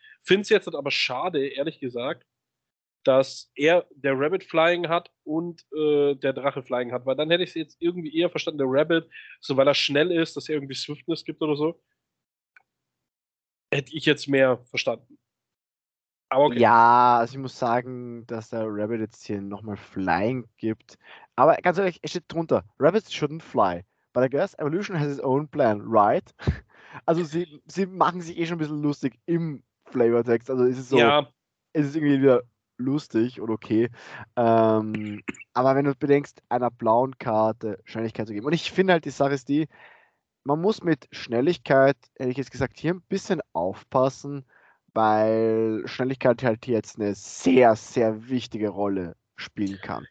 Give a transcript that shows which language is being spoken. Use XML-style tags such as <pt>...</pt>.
<de>Find's jetzt aber schade, ehrlich gesagt, dass er der Rabbit Flying hat und der Drache Flying hat, weil dann hätte ich es jetzt irgendwie eher verstanden, der Rabbit, so weil er schnell ist, dass er irgendwie Swiftness gibt oder so, hätte ich jetzt mehr verstanden. Aber okay. Ja, also ich muss sagen, dass der Rabbit jetzt hier nochmal Flying gibt. Aber ganz ehrlich, es steht drunter,</de> <en>Rabbits shouldn't fly. But I guess Evolution has its own plan, right?</en> <de>Also sie machen sich eh schon ein bisschen lustig im Flavortext. Also ist es so, ist es irgendwie wieder lustig und okay. Aber wenn du bedenkst, einer blauen Karte Schnelligkeit zu geben. Und ich finde halt, die Sache ist die, man muss mit Schnelligkeit, hätte ich jetzt gesagt, hier ein bisschen aufpassen, weil Schnelligkeit halt jetzt eine sehr, sehr wichtige Rolle spielen kann.</de>